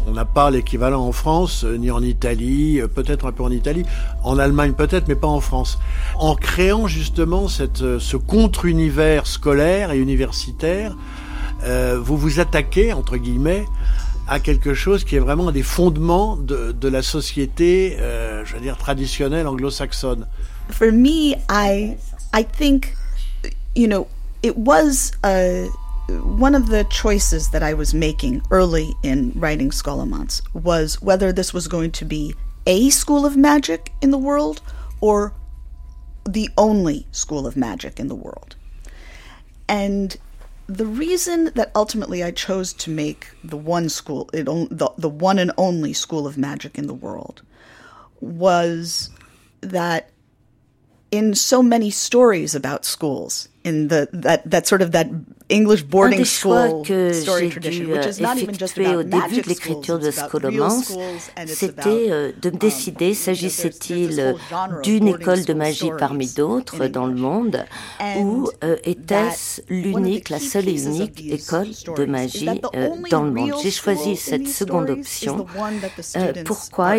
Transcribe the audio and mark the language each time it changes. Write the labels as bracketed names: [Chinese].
[French] On n'a pas l'équivalent en France, ni en Italie, peut-être un peu en Italie, en Allemagne peut-être, mais pas en France. En créant justement ce contre-univers scolaire et universitaire, vous vous attaquez, entre guillemets, à quelque chose qui est vraiment un des fondements de la société, je veux dire, traditionnelle anglo-saxonne. [English] For me, I think, you know, it was one of the choices that I was making early in writing Scolomance was whether this was going to be a school of magic in the world or the only school of magic in the world. And the reason that ultimately I chose to make the one school, the one and only school of magic in the world, was that in so many stories about schools, in the that sort of that English boarding school story tradition, which is not even just about magic schools, it's about real schools, and it's [French] c'était de me décider s'agissait-il d'une école de magie parmi d'autres dans le monde, ou était-ce l'unique, la seule et unique école de magie dans le monde. J'ai choisi cette seconde option. Pourquoi?